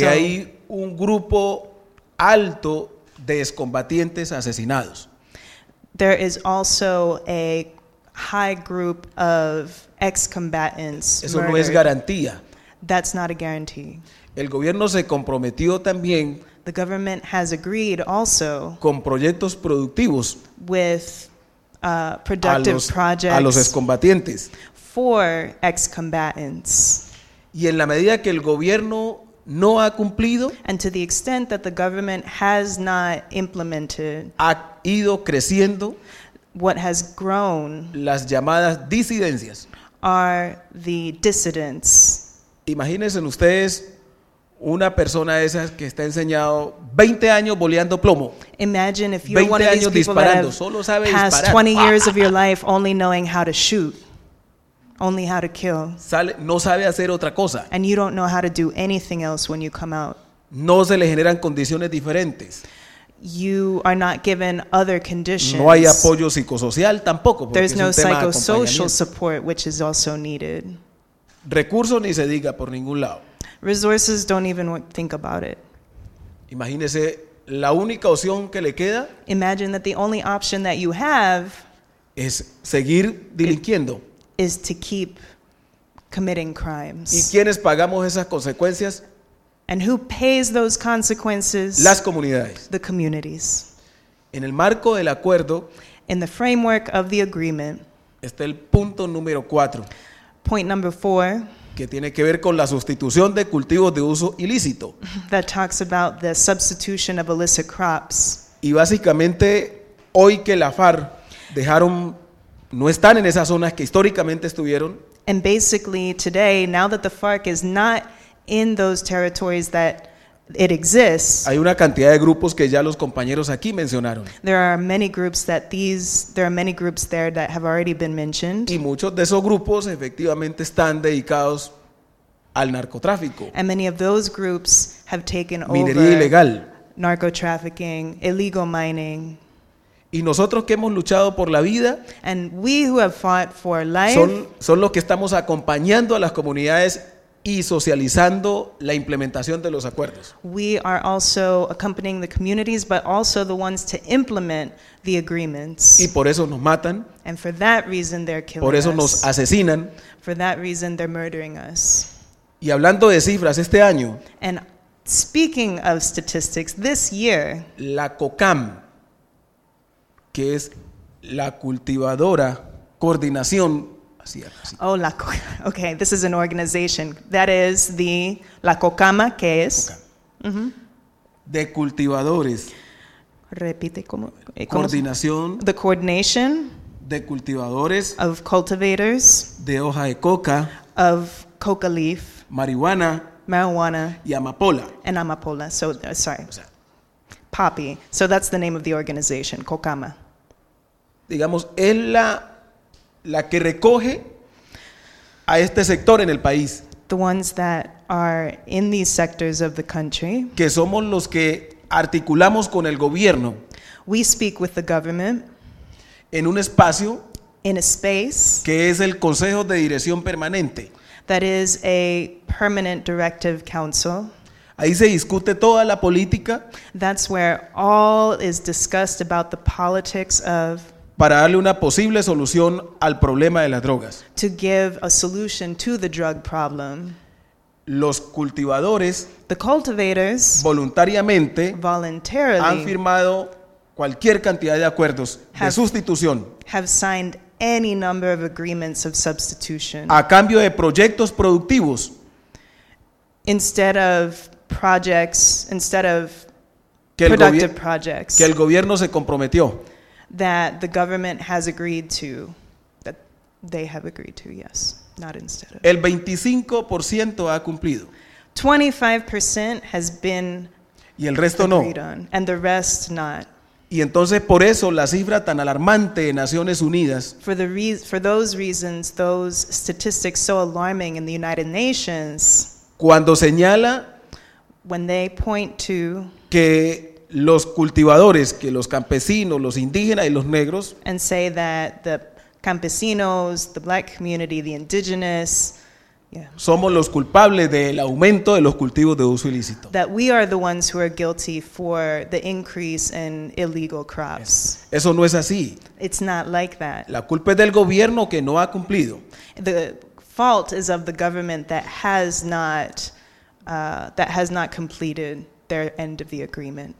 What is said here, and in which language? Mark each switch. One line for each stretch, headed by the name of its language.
Spanish: que hay un grupo alto de excombatientes asesinados.
English: There is also a high group of ex-combatants.
Spanish: Eso
English: murdered.
Spanish: No es garantía.
English: That's not a guarantee.
Spanish: El gobierno se comprometió también.
English: The government has agreed also
Spanish: con proyectos productivos
English: with productive
Spanish: a los,
English: projects
Spanish: a los excombatientes.
English: For ex-combatants.
Spanish: Y en la medida que el gobierno no ha cumplido,
English: and to the extent that the government has not implemented,
Spanish: ha ido creciendo,
English: what has grown,
Spanish: las llamadas disidencias,
English: are the dissidents.
Spanish: Imagínense ustedes una persona de esas que está enseñado 20 años boleando plomo.
English: Imagine if you're one of these people that have
Spanish: solo sabe
English: has
Spanish: disparar.
English: 20 years of your life only knowing how to shoot, only how to kill.
Spanish: Sale, no sabe hacer otra cosa.
English: And you don't know how to do anything else when you come out.
Spanish: No se le generan condiciones diferentes.
English: You are not given other conditions.
Spanish: No hay apoyo psicosocial tampoco.
English: There's
Spanish: es no un tema
English: psychosocial
Spanish: de
English: support, which is also needed.
Spanish: Recursos ni se diga por ningún lado.
English: Resources don't even think about it.
Spanish: Imagínese la única opción que le queda.
English: Imagine that the only option that you have
Spanish: es seguir delinquiendo.
English: Is to keep committing crimes.
Spanish: ¿Y quiénes pagamos esas consecuencias?
English: And who pays those consequences?
Spanish: Las comunidades.
English: The communities.
Spanish: En el marco del acuerdo,
English: in the framework of the agreement,
Spanish: está el punto número 4.
English: Point number 4.
Spanish: Que tiene que ver con la sustitución de cultivos de uso ilícito.
English: That talks about the substitution of illicit crops.
Spanish: Y básicamente, hoy que la FARC dejaron, no están en esas zonas que históricamente estuvieron.
English: And basically today, now that the FARC is not in those territories that it exists.
Spanish: Hay una cantidad de grupos que ya los compañeros aquí mencionaron.
English: There are many groups that these there are many groups there that have already been mentioned.
Spanish: Y muchos de esos grupos efectivamente están dedicados al narcotráfico.
English: And many of those groups have taken
Spanish: over minería ilegal,
English: narco trafficking, illegal mining.
Spanish: Y nosotros que hemos luchado por la vida,
English: and we who have fought for life,
Spanish: son los que estamos acompañando a las comunidades y socializando la implementación de los acuerdos.
English: We are also accompanying the communities, but also the ones to implement the agreements.
Spanish: Y por eso nos matan.
English: And for that reason they're killing us.
Spanish: Por eso nos asesinan.
English: For that reason they're murdering us.
Spanish: Y hablando de cifras, este año,
English: and speaking of statistics, this year,
Spanish: la COCAM, que es la cultivadora coordinación.
English: Oh, la COCAM. Okay, this is an organization. That is the La COCAMA,
Spanish: ¿qué es? Mm-hmm. De cultivadores. Repite cómo. Coordinación.
English: The coordination.
Spanish: De cultivadores.
English: Of cultivators.
Spanish: De hoja de coca.
English: Of coca leaf.
Spanish: Marihuana.
English: Marijuana.
Spanish: Y amapola.
English: And amapola. So, sorry. Poppy. So that's the name of the organization, COCAMA.
Spanish: Digamos, es la. La que recoge a este sector en el país.
English: The ones that are in these sectors of the country.
Spanish: Que somos los que articulamos con el gobierno.
English: We speak with the government.
Spanish: En un espacio.
English: In a space.
Spanish: Que es el Consejo de Dirección Permanente.
English: That is a permanent directive council.
Spanish: Ahí se discute toda la política.
English: That's where all is discussed about the politics of.
Spanish: Para darle una posible solución al problema de las drogas.
English: To give a solution to the drug problem.
Spanish: Los cultivadores,
English: the cultivators,
Spanish: voluntariamente,
English: voluntarily,
Spanish: han firmado cualquier cantidad de acuerdos de sustitución.
English: Have signed any number of agreements of substitution.
Spanish: A cambio de proyectos productivos.
English: Instead of projects, instead of productive projects.
Spanish: Que el gobierno se comprometió.
English: That the government has agreed to, that they have agreed to, yes, not instead of.
Spanish: El 25% ha cumplido.
English: 25% has been
Spanish: y el resto
English: agreed
Spanish: no.
English: on, and the rest not.
Spanish: Y entonces por eso la cifra tan alarmante de Naciones Unidas.
English: For those reasons, those statistics so alarming in the United Nations.
Spanish: Cuando señala.
English: When they point to.
Spanish: Que los cultivadores, que los campesinos, los indígenas y los negros,
English: and say that the campesinos, the black community, the indigenous, yeah,
Spanish: somos los culpables del aumento de los cultivos de uso ilícito.
English: That we are the ones who are guilty for the increase in illegal crops.
Spanish: Eso no es así.
English: It's not like that.
Spanish: La culpa es del gobierno que no ha cumplido.
English: The fault is of the government that has not completed their end of the agreement.